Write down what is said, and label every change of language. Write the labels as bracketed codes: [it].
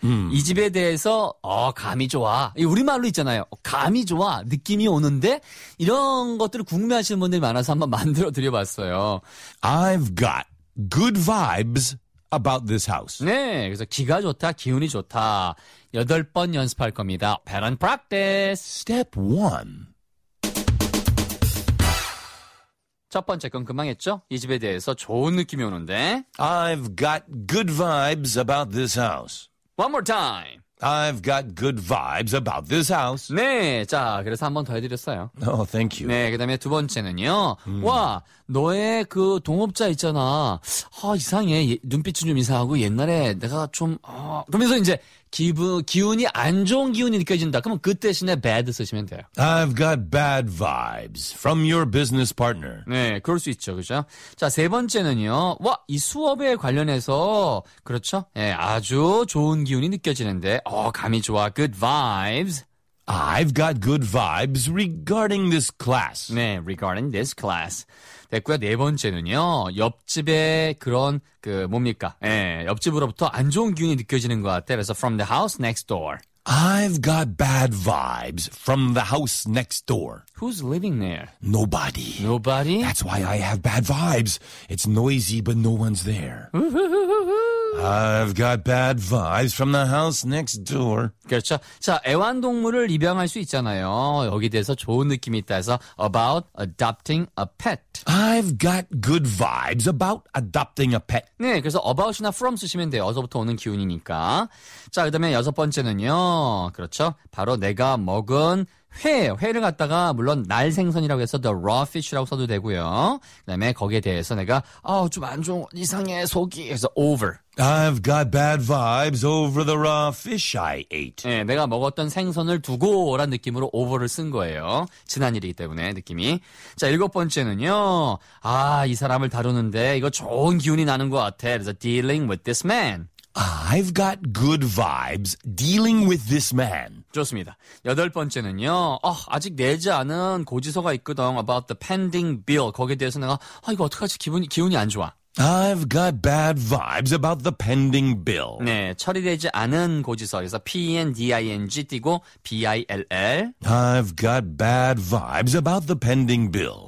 [ko] 이 집에 대해서 감이 좋아. 우리말로 있잖아요. 감이 좋아. 느낌이 오는데 이런 것들을 궁금해하시는 분들이 많아서 한번 만들어 드려봤어요. [en] I've got good vibes about this house. [ko] 네, 그래서 기가 좋다, 기운이 좋다. 여덟 번 연습할 겁니다. [en] Pattern practice. Step one. [ko] 첫 번째 건 금방 했죠? 이 집에 대해서 좋은 느낌이 오는데. [en] I've got good vibes about this house. One more time. I've got good vibes about this house. [ko] 네, 자, 그래서 한 번 더 해드렸어요. [en] Oh, thank you. [ko] 네, 그 다음에 두 번째는요. 와, 너의 그 동업자 있잖아. 아, 이상해. 눈빛은 좀 이상하고 옛날에 내가 좀, 그러면서 이제 기운이 안 좋은 기운이 느껴진다. 그러면 그 대신에 bad 쓰시면 돼요. [en] I've got bad vibes from your business partner. [ko] 네, 그럴 수 있죠. 그죠? 자, 세 번째는요. 와, 이 수업에 관련해서, 그렇죠? 예, 네, 아주 좋은 기운이 느껴지는데, 감이 좋아. [en] Good vibes. I've got good vibes regarding this class. [ko] 네, [en] regarding this class. [ko] 됐고요. 네 번째는요. 옆집에 그런 그 뭡니까? 예, 옆집으로부터 안 좋은 기운이 느껴지는 것 같아. 그래서 [en] from the house next door. I've got bad vibes from the house next door. Who's living there? Nobody. Nobody? That's why I have bad vibes. It's noisy, but no one's there. I've got bad vibes from the house next door. [ko] 그렇죠. 자, 애완동물을 입양할 수 있잖아요. 여기 대해서 좋은 느낌이 있다 해서 [en] about adopting a pet. I've got good vibes about adopting a pet. [ko] 네, 그래서 about이나 from 쓰시면 돼요. 어서부터 오는 기운이니까. 자, 그 다음에 여섯 번째는요. 그렇죠. 바로 내가 먹은 회를 갖다가 물론 날 생선이라고 해서 [en] the raw fish [ko] 라고 써도 되고요. 그다음에 거기에 대해서 내가 좀 안 좋은 이상해 속이 해서 over. [en] I've got bad vibes over the raw fish I ate. [ko] 네, 내가 먹었던 생선을 두고란 느낌으로 over를 쓴 거예요. 지난 일이기 때문에 느낌이. 자, 일곱 번째는요. 아, 이 사람을 다루는데 이거 좋은 기운이 나는 것 같아. 그래서 [en] dealing with this man. I've got good vibes dealing with this man. [ko] 좋습니다. 여덟 번째는요. 아직 내지 않은 고지서가 있거든. [en] About the pending bill. [ko] 거기에 대해서 내가 이거 어떡하지? 기운이 안 좋아. [en] I've got bad vibes about the pending bill. [ko] 네, 처리되지 않은 고지서. 그래서 P-E-N-D-I-N-G 띄고 B-I-L-L. [en] I've got bad vibes about the pending bill.